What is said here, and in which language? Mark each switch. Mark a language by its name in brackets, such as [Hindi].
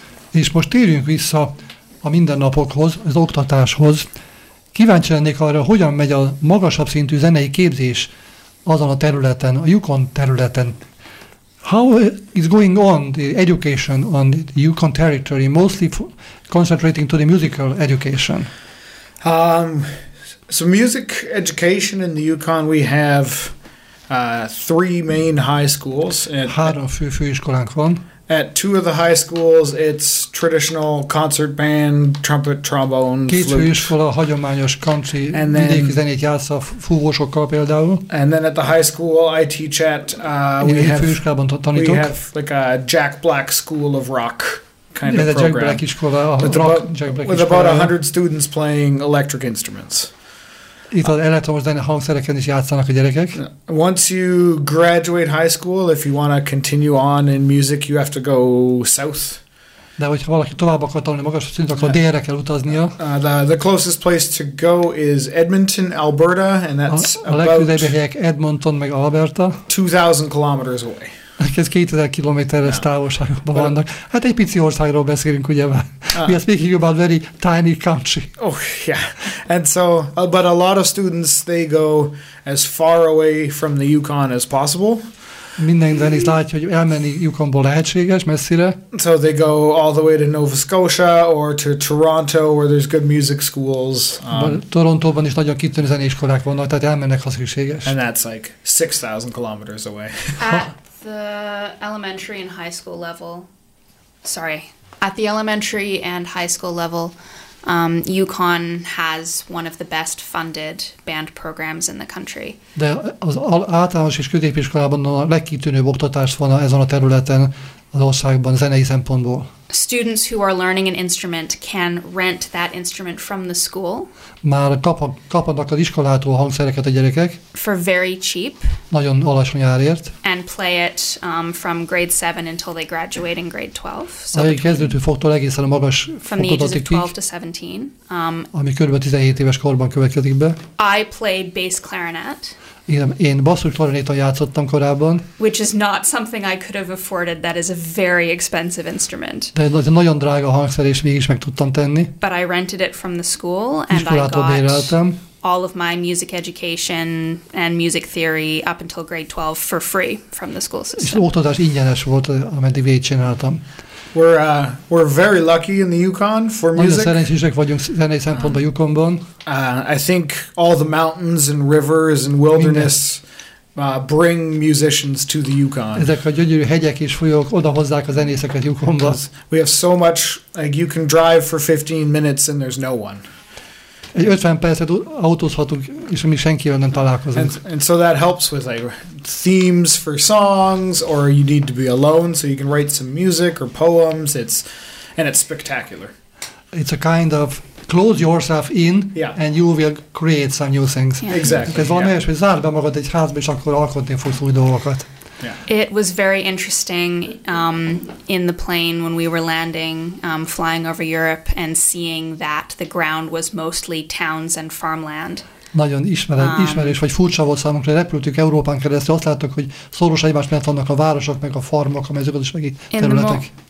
[Hungarian] És most térjünk vissza a mindennapokhoz, az oktatáshoz. Kíváncsi lennék arra, hogyan megy a magasabb szintű zenei képzés azon a területen, a Yukon területen. [English] How is going on the education on the Yukon territory, mostly concentrating to the musical education? So music education in the Yukon, we have three main high schools. [Hungarian] Három fő főiskolánk van. [English] At two of the high schools, it's traditional concert band, trumpet, trombone, [Hungarian] két [English] flute. [Hungarian] Két főiskola hagyományos country vidéki zenét játsz a fúvósokkal például. [English] And then at the high school I teach at, we have like a Jack Black School of Rock kind of program. [Hungarian] Jack Black iskola, Jack Black iskola. [English] With about 100 students playing electric instruments. [Hungarian] Itt az elektromos hangszereken is játszanak a gyerekek. [English] Once you graduate high school, if you want to continue on in music, you have to go south. [Hungarian] De hogyha valaki tovább akar tanulni magas szintű, akkor délre kell utaznia. [English] The closest place to go is Edmonton, Alberta, and that's [Hungarian] a legközelebbi helyek Edmonton meg Alberta. [English] 2,000 kilometers away. [Hungarian] Ez 2000 kilométeres távolságban vannak. Hát egy pici országról beszélünk, ugye már. [English] We are speaking about very tiny country. Oh, yeah. And so, but a lot of students, they go as far away from the Yukon as possible. [Hungarian] Mindenben is látja, hogy elmenni Yukonból lehetséges, messzire. [English] So they go all the way to Nova Scotia or to Toronto, where there's good music schools. [Hungarian] Torontóban is nagyon kitűnő zenéiskolák vannak, tehát elmennek, ha szükséges. [English] And that's like 6,000 kilometers away. The elementary and high school level, sorry, at the elementary and high school level, UConn has one of the best funded band programs in the country. [Hungarian] De az általános és középiskolában a legkitűnőbb oktatás van ezen a területen az országban zenei szempontból. [English] Students who are learning an instrument can rent that instrument from the school. [Hungarian] Már kaphatnak az iskolától hangszereket a gyerekek. [English] For very cheap. [Hungarian] Nagyon alacsony árért. [English] And play it from grade 7 until they graduate in grade 12. [Hungarian] So a kezdőtől fogtól egészen a magas fokozatig. [English] From the ages of 12 to 17. [Hungarian] Ami körülbelül 17 éves korban következik be. [English] I played bass clarinet. [Hungarian] Én basszus klarinéton játszottam korábban. [English] Which is not something I could have afforded. That is a very expensive instrument. [Hungarian] De ez nagyon drága hangszer, és mégis meg tudtam tenni. [English] But I rented it from the school, and I got [Hungarian] béreltem. [English] All of my music education and music theory up until grade 12 for free from the school system. [Hungarian] És oktatás ingyenes volt, ameddig végig csináltam. [English] We're very lucky in the Yukon for music. [Hungarian] Nagyon szerencsések vagyunk zenei szempontban Yukonban. [English] I think all the mountains and rivers and wilderness bring musicians to the Yukon. [Hungarian] Ezek a gyönyörű hegyek és folyók oda hozzák a zenészeket Yukonban. [English] We have so much, like you can drive for 15 minutes and there's no one. Egy 50 percet autózhatunk, és mi senkivel nem találkozunk. And so that helps with like themes for songs, or you need to be alone so you can write some music or poems. It's spectacular. It's a kind of close yourself in, yeah, and you will create some new things. Yeah. Exactly. [Hungarian] Ez valami olyasmi, zárd be magad egy házba, és akkor alkotni fogsz új dolgokat. [English] Yeah. It was very interesting in the plane when we were landing, flying over Europe, and seeing that the ground was mostly towns and farmland. [Hungarian] Nagyon ismerős vagy furcsa volt számunkra, hogy repültük Európán keresztül, azt láttuk, hogy szoros egymás mellett vannak a városok, meg a farmok, a mezőgazdasági területek.